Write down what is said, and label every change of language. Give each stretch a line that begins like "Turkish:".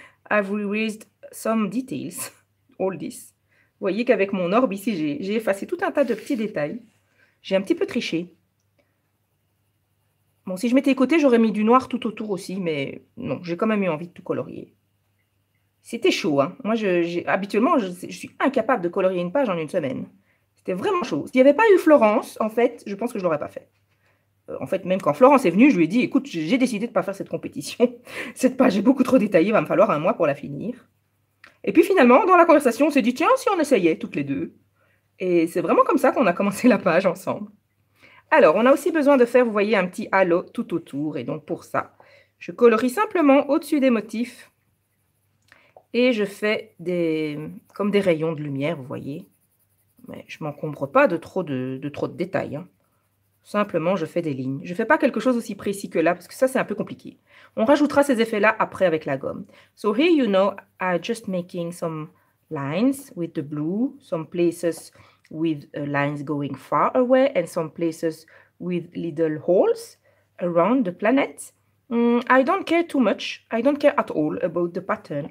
English: I've erased some details, all this.
French: Vous voyez qu'avec mon orbe ici, j'ai effacé tout un tas de petits détails. J'ai un petit peu triché. Bon, si je m'étais écoutée, j'aurais mis du noir tout autour aussi, mais non, j'ai quand même eu envie de tout colorier. C'était chaud, hein. Moi, habituellement, je suis incapable de colorier une page en une semaine. C'était vraiment chaud. S'il n'y avait pas eu Florence, en fait, je pense que je ne l'aurais pas fait. En fait, même quand Florence est venue, je lui ai dit, écoute, j'ai décidé de ne pas faire cette compétition. Cette page est beaucoup trop détaillée, il va me falloir un mois pour la finir. Et puis finalement, dans la conversation, on s'est dit, tiens, si on essayait toutes les deux. Et c'est vraiment comme ça qu'on a commencé la page ensemble. Alors, on a aussi besoin de faire, vous voyez, un petit halo tout autour. Et donc, pour ça, je colorie simplement au-dessus des motifs et je fais comme des rayons de lumière, vous voyez. Mais je ne m'encombre pas de trop de détails. Hein. Simplement, je fais des lignes. Je ne fais pas quelque chose aussi précis que là, parce que ça, c'est un peu compliqué. On rajoutera ces effets-là après avec la gomme.
English: So, here you know, I'm just making some lines with the blue, some places with lines going far away and some places with little holes around the planet. I don't care too much. I don't care at all about the pattern.